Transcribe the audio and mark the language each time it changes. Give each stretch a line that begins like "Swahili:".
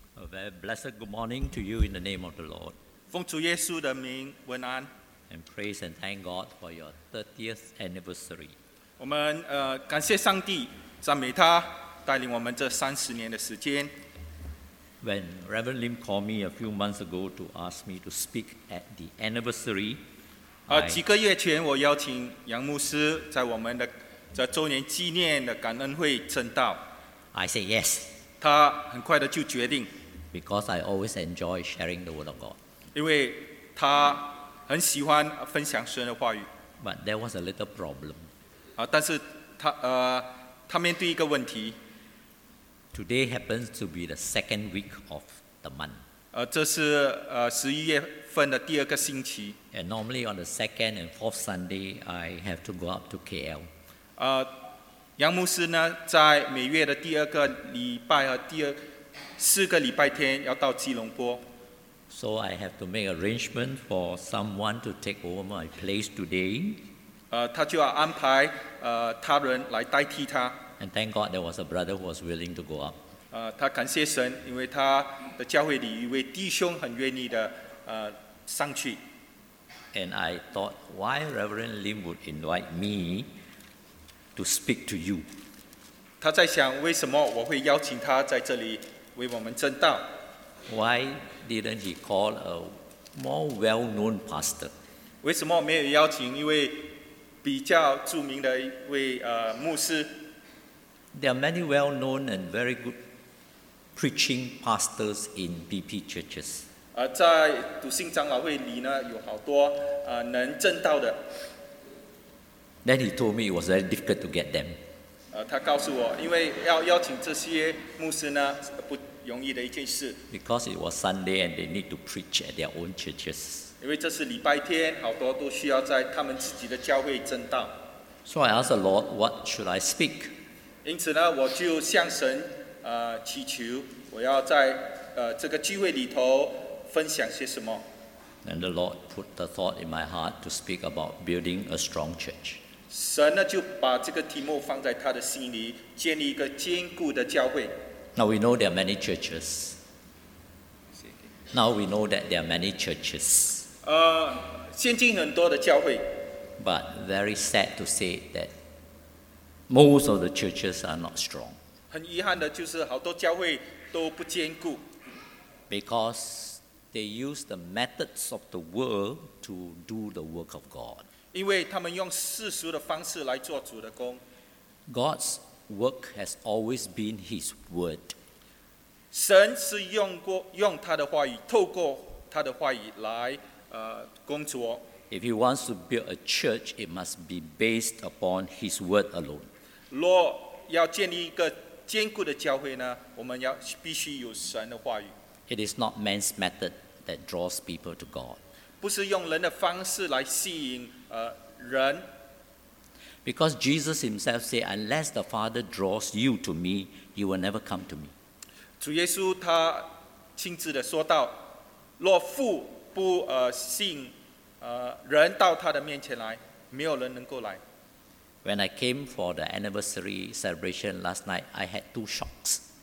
English: Very blessed good morning to you in the name of the Lord.
Chinese: 奉主耶稣的名问安。
English: And praise and thank God for your 30th anniversary.
Chinese: 我们感谢上帝，赞美他带领我们这三十年的时间。
English: When Reverend Lim called me a few months ago to ask me to speak at the anniversary,
Chinese: 几个月前我邀请杨牧师在我们的这周年纪念的感恩会证道。
English: I say yes.
Chinese: 他很快的就决定。
English: Because I always enjoy sharing the word of God.
Chinese: 因为他很喜欢分享神的话语。
English: But there was a little problem.
Chinese: 但是他面对一个问题。
English: Today happens to be the second week of the month.
Chinese: 这是十一月份的第二个星期。
English: And normally on the second and fourth Sunday, I have to go up to KL.
Chinese: 杨牧师呢，在每月的第二个礼拜和第二四个礼拜天要到吉隆坡。
English: So I have to make arrangement for someone to take over my place today.
Chinese: 他就要安排他人来代替他。
English: And thank God there was a brother who was willing to go up.
Chinese: 他感谢神，因为他的教会里一位弟兄很愿意的上去。
English: And I thought, why Reverend Lim would invite me to speak to you?
Chinese: 他在想为什么我会邀请他在这里为我们证道。
English: Why didn't he call a more well-known pastor?
Chinese: 为什么没有邀请一位比较著名的一位牧师？
English: There are many well-known and very good preaching pastors in BP churches.
Chinese: 在笃信长老会里呢，有好多能证道的。
English: Then he told me it was very difficult to get them.
Chinese: 他告诉我，因为要邀请这些牧师呢，是不容易的一件事。
English: Because it was Sunday and they need to preach at their own churches.
Chinese: 因为这是礼拜天，好多都需要在他们自己的教会证道。
English: So I asked the Lord, what should I speak?
Chinese: 因此呢，我就向神祈求，我要在这个聚会里头分享些什么。
English: And the Lord put the thought in my heart to speak about building a strong church.
Chinese: 神呢就把这个题目放在他的心里，建立一个坚固的教会。
English: Now we know there are many churches. Now we know that there are many churches.
Chinese: 现今很多的教会。
English: But very sad to say that. Most of the churches are not strong.
Chinese: 很遗憾的就是好多教会都不坚固。
English: Because they use the methods of the world to do the work of God.
Chinese: 因为他们用世俗的方式来做主的工。
English: God's work has always been His word.
Chinese: 神是用他的话语，透过他的话语来工作。
English: If He wants to build a church, it must be based upon His word alone.
Chinese: 若要建立一个坚固的教会呢，我们要必须有神的话语。
English: It is not man's method that draws people to God.
Chinese: 不是用人的方式来吸引人。
English: Because Jesus himself said, unless the Father draws you to me, you will never come to me.
Chinese: 主耶稣他亲自的说到，若父不吸引人到他的面前来，没有人能够来。
English: When I came for the anniversary celebration last night, I had two shocks.